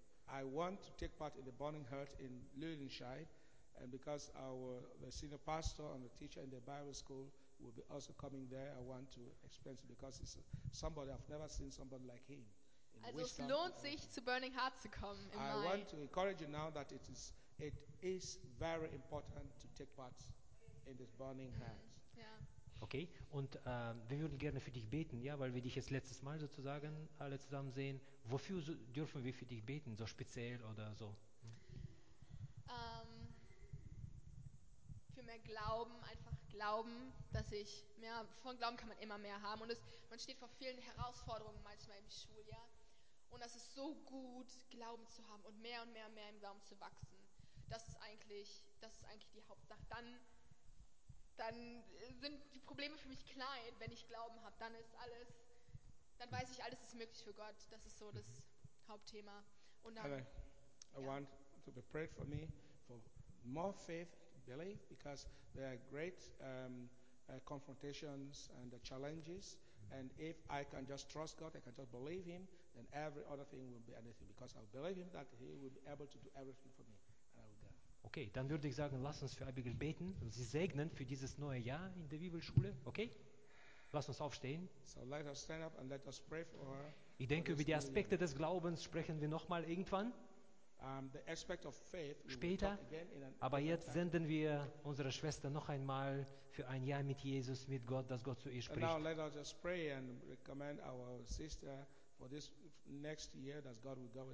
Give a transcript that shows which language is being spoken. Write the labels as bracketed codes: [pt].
[en] I want to take part in the Burning Heart in Lüdenscheid, and because the senior pastor and the teacher in the Bible school will be also coming there, I want to experience it because it's somebody, I've never seen somebody like him. [de] Also es lohnt sich, zu Burning Heart zu kommen in Mai. [en] I want to encourage you now that it is very important to take part in this Burning Heart. Yeah. [de] Okay, und wir würden gerne für dich beten, ja, weil wir dich jetzt letztes Mal sozusagen alle zusammen sehen. Wofür dürfen wir für dich beten, so speziell oder so? Für mehr Glauben, einfach Glauben, dass ich mehr, von Glauben kann man immer mehr haben und man steht vor vielen Herausforderungen manchmal im Schuljahr und das ist so gut, Glauben zu haben und mehr und mehr im Glauben zu wachsen. Das ist eigentlich die Hauptsache. Dann sind die Probleme für mich klein, wenn ich Glauben habe, dann weiß ich, alles ist möglich für Gott. Das ist so das Hauptthema. Und dann, [en] I want to be prayed for me for more faith, believe, because there are great confrontations and challenges. And if I can just trust God, I can just believe Him, then every other thing will be anything, because I believe Him that He will be able to do everything for me. And I will go. [de] Okay, dann würde ich sagen, lass uns für Abigail beten und sie segnen für dieses neue Jahr in der Bibelschule. Okay? Lass uns aufstehen. [en] So let us stand up and let us pray for her. [de] Ich denke, über die Aspekte des Glaubens sprechen wir nochmal irgendwann. [en] The aspect of faith, [de] später. Aber jetzt senden wir unsere Schwester noch einmal für ein Jahr mit Jesus, mit Gott, dass Gott zu ihr spricht. [en] And now let us just pray and recommend our sister for this next year that God will go with.